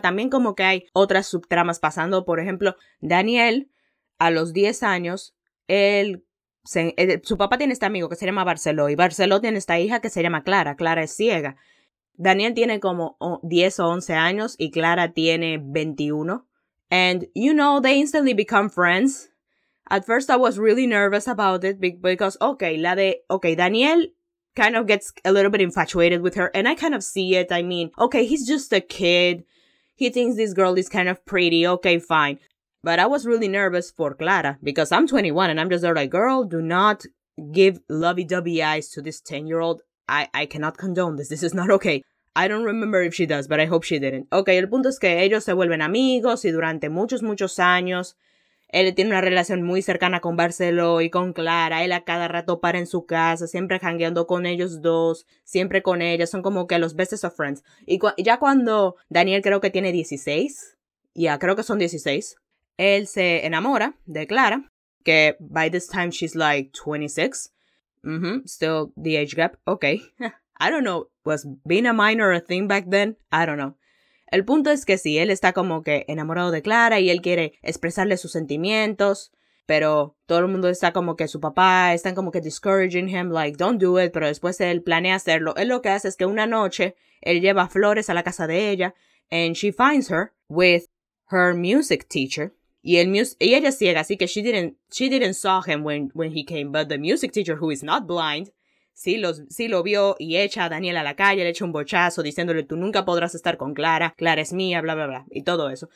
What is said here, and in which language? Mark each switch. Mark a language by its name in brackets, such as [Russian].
[Spanish] También como que hay otras subtramas pasando. Por ejemplo, Daniel, a los 10 años, su papá tiene este amigo que se llama Barceló. Y Barceló tiene esta hija que se llama Clara. Clara es ciega. Daniel tiene como 10 o 11 años y Clara tiene 21. [English] And, you know, they instantly become friends. At first I was really nervous about it because, Daniel kind of gets a little bit infatuated with her, and I kind of see it. I mean, okay, he's just a kid. He thinks this girl is kind of pretty. Okay, fine. But I was really nervous for Clara because I'm 21 and I'm just there like, girl, do not give lovey-dovey eyes to this 10-year-old. I cannot condone this. This is not okay. I don't remember if she does, but I hope she didn't. [Spanish] Okay, el punto es que ellos se vuelven amigos y durante muchos, muchos años, él tiene una relación muy cercana con Barceló y con Clara. Él a cada rato para en su casa, siempre jangueando con ellos dos, siempre con ella. Son como que los [English] best of friends. [Spanish] Y ya cuando Daniel creo que tiene 16, ya creo que son 16, él se enamora de Clara, que [English] by this time she's like 26. Mm-hmm, still the age gap. Okay. I don't know. Was being a minor a thing back then? I don't know. [Spanish] El punto es que sí, él está como que enamorado de Clara y él quiere expresarle sus sentimientos, pero todo el mundo está como que su papá, están como que [English] discouraging him, like, don't do it, [Spanish] pero después él planea hacerlo. Él lo que hace es que una noche, él lleva flores a la casa de ella, [English] and she finds her with her music teacher, [Spanish] y ella es ciega, así que [English] she didn't saw him when he came, but the music teacher, who is not blind, [Spanish] sí lo vio y echa a Daniel a la calle, le echa un bochazo diciéndole tú nunca podrás estar con Clara, Clara es mía, bla, bla, bla, y todo eso.